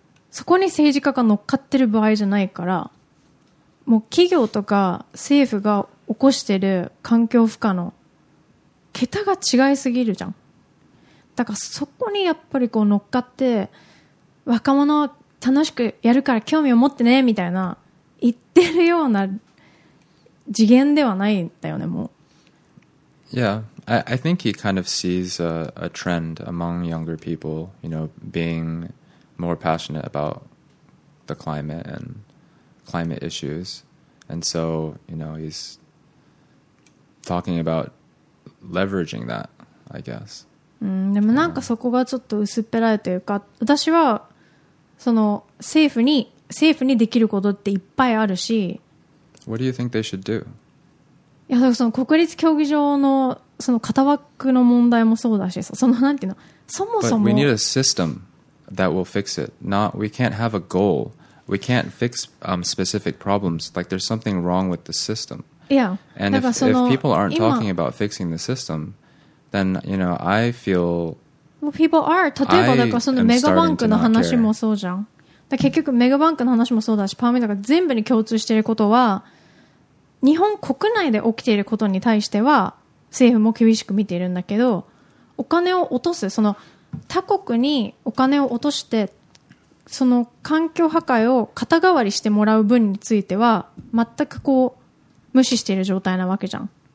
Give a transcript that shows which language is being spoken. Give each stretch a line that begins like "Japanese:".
Japanese: そこに政治家が乗っかってる場合じゃないからもう企業とか政府が起こしてる環境負荷の桁が違いすぎるじゃんだからそこにやっぱりこう乗っかって若者は楽しくやるから興味を持ってねみたいな言ってるような次元ではないんだよねもう
English: Yeah, I think he kind of sees a trend among younger people you know, being more passionate about the climate and climate issues and so, you know, he's talking aboutleveraging that, I guess.
Japanese: うん、でもなんかそこがちょっと薄っぺらいというか、私はその政府にできることっていっぱいあるし。
English: What do you think they should do?
Japanese: いや、その国立競技場のその型枠の問題もそうだし、そのなんていうの、そもそも。
English: But we need a system that will fix it. Not we can't have a goal. We can't fix specific problems. Like there's something wrong with the system. Yeah. And if people aren't talking about fixing the system, then, you know, I feel... Well, people are.
Japanese: 例えば、だからそのメガバンクの話もそうじゃん。だ結局、メガバンクの話もそうだし、パーミーとか全部に共通していることは、日本国内で起きていることに対しては、政府も厳しく見ているんだけど、お金を落とす、その他国にお金を落として、その環境破壊を肩代わりしてもらう分については、全くこう、無視している状態なわけじゃん